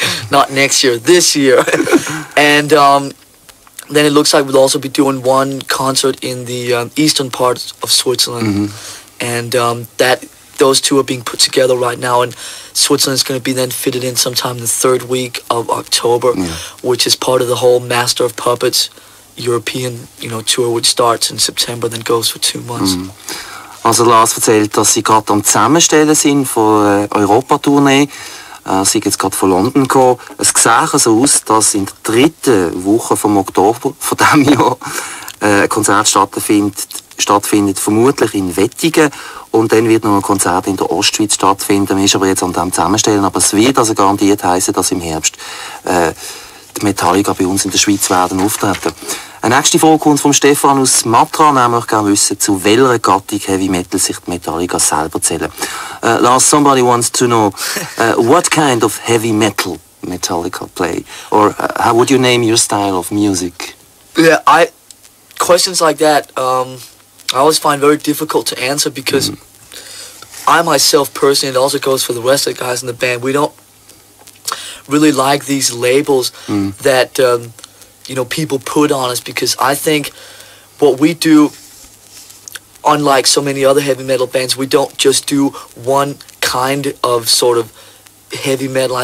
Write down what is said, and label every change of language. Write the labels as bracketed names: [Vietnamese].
[English] Not next year, this year. And then it looks like we'll also be doing one concert in the eastern part of Switzerland. And those two are being put together right now, and Switzerland is going to be then fitted in sometime in the 3rd week of October, which is part of the whole Master of Puppets European, you know, tour, which starts in September, then goes for 2 months. [German] Also Lars erzählt, dass sie gerade am Zusammenstellen sind von Europa-Tournee. Sie sind jetzt gerade von London gekommen. Es sah so aus, dass in der 3. Woche vom Oktober von diesem Jahr ein Konzert stattfindet, vermutlich in Wettigen. Und dann wird noch ein Konzert in der Ostschweiz stattfinden. Man ist aber jetzt an dem Zusammenstellen. Aber es wird also garantiert heissen, dass im Herbst die Metallica bei uns in der Schweiz werden auftreten. Eine nächste Frage kommt von Stefan aus Matra, nämlich gerne wissen, zu welcher Gattung Heavy Metal sich die Metallica selber zählen. [English] Lars, somebody wants to know, what kind of Heavy Metal Metallica play? Or how would you name your style of music? Yeah, I questions like that, I always find very difficult to answer, because I myself personally, and also goes for the rest of the guys in the band, we don't really like these labels that you know, people put on us, because I think what we do, unlike so many other heavy metal bands, we don't just do one kind of sort of heavy metal.